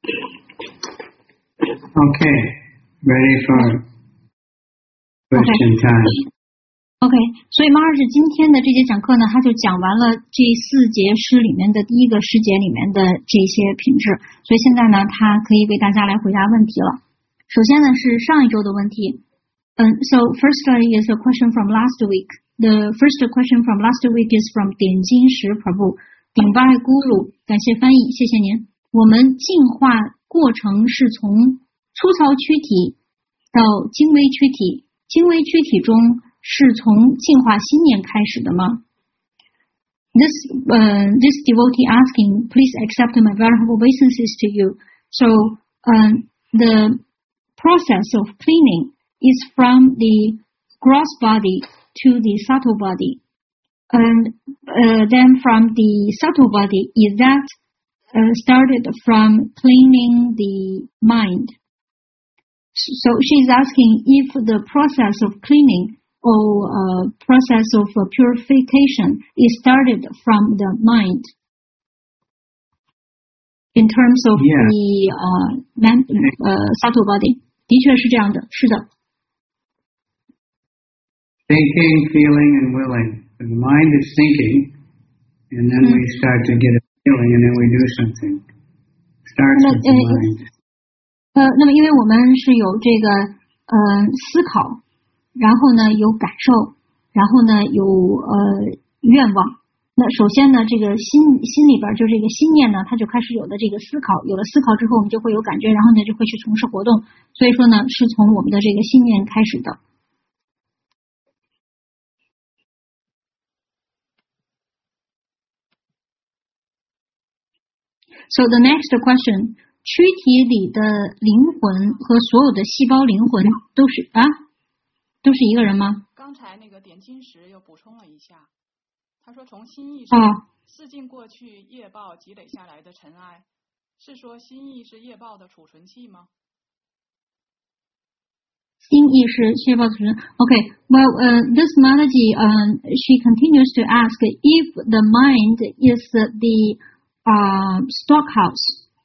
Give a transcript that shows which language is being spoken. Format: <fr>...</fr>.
<en>Okay, ready for question time.</en> <zh>Okay, 所以马老师今天的这节讲课呢，他就讲完了这四节诗里面的第一个诗节里面的这些品质，所以现在呢，他可以为大家来回答问题了。首先呢，是上一周的问题。</zh> <en>So firstly is a question from last week. The first question from last week is from 点金石 Prabhu.</en> <zh>顶巴爱咕噜，感谢翻译，谢谢您。我们进化过程是从粗糙躯体到精微躯体，精微躯体中是从进化心念开始的吗？</zh> <en>This devotee asking, please accept my very humble obeisances to you. So, the process of cleaning is from the gross body to the subtle body. And then from the subtle body, is that started from cleaning the mind? So she's asking if the process of cleaning or process of purification is started from the mind in terms of yeah. the subtle body.</en> <zh>的确是这样的，是的。</zh> <en>Thinking, feeling, and willing. The mind is thinking, and then we start to get a feeling, and then we do something. Starts with the mind.</en> <zh>那么因为我们是有这个思考，然后呢有感受，然后呢有愿望。那首先呢，这个心里边就是一个心念呢，它就开始有了这个思考。有了思考之后，我们就会有感觉，然后呢就会去从事活动。所以说呢，是从我们的这个心念开始的。</zh> <en>So the next question,</en> <zh>躯体里的灵魂和所有的细胞灵魂都是一个人吗？刚才那个点金石又补充了一下，他说从心意上，四境过去业报积累下来的尘埃，是说心意是业报的储存器吗？心意是业报储存。</zh> <en>Okay, well, this Mataji, she continues to ask if the mind is the storehouse.</en>